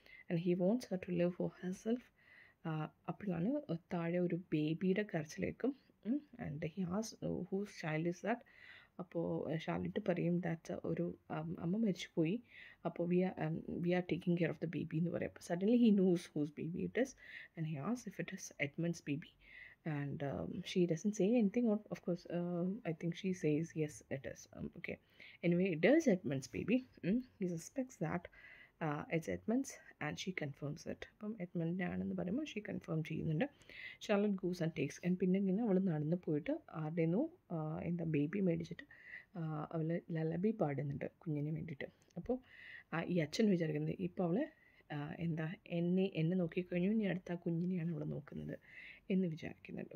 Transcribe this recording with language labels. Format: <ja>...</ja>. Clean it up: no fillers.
<en>And he wants her to live for herself.</en> <ml>അപ്പോഴാണ് താഴെ ഒരു ബേബിയുടെ കരച്ചിലേക്കും</ml> <en>And he as whose child is that.</en> <ml>അപ്പോൾ Charlotte പറയും</ml> <en>that</en> <ml>ഒരു അമ്മ മരിച്ചു പോയി, അപ്പോൾ</ml> <en>we are taking care of the baby</en> <ml>എന്ന് പറയും. അപ്പോൾ</ml> <en>Suddenly he knows whose baby it is and he as if it is Edmunds baby. and she doesn't say anything. Or of course, I think she says yes, it is. Okay, anyway, it is Edmund's baby. He suspects that it's Edmund's, and she confirms it.</en> <ml>അപ്പം എഡ്മണ്ടിനെ ആണെന്ന് പറയുമ്പോൾ she confirm ചെയ്യുന്നുണ്ട്. Charlotte</ml> <en>goes and takes and</en> <ml>പിന്നെങ്ങനെ അവൾ നടന്ന് പോയിട്ട് ആരുടെ no എന്താ ബേബി മേടിച്ചിട്ട് അവൾ ലലബി പാടുന്നുണ്ട് കുഞ്ഞിന് വേണ്ടിയിട്ട്. അപ്പോൾ ഈ അച്ഛൻ വിചാരിക്കുന്നത് ഇപ്പോൾ അവൾ എന്താ എന്നെ നോക്കിക്കഴിഞ്ഞു, ഇനി അടുത്ത കുഞ്ഞിനെയാണ് അവൾ നോക്കുന്നത് എന്ന് വിചാരിക്കുന്നുണ്ട്.</ml>